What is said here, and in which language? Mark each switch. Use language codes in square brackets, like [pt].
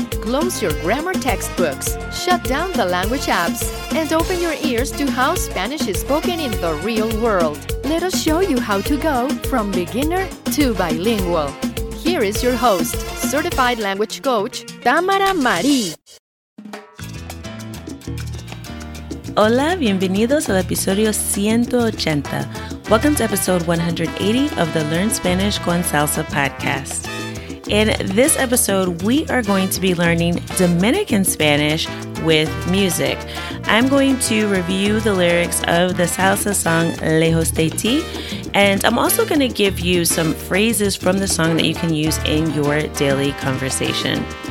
[en] Close your grammar textbooks, shut down the language apps, and open your ears to how Spanish is spoken in the real world. Let us show you how to go from beginner to bilingual. Here is your host, certified language coach, Tamara Marie. [es] Hola, bienvenidos al episodio 180. [en] Welcome to episode 180 of the Learn Spanish con Salsa podcast. In this episode, we are going to be learning Dominican Spanish with music. I'm going to review the lyrics of the salsa song Lejos de Ti, and I'm also going to give you some phrases from the song that you can use in your daily conversation.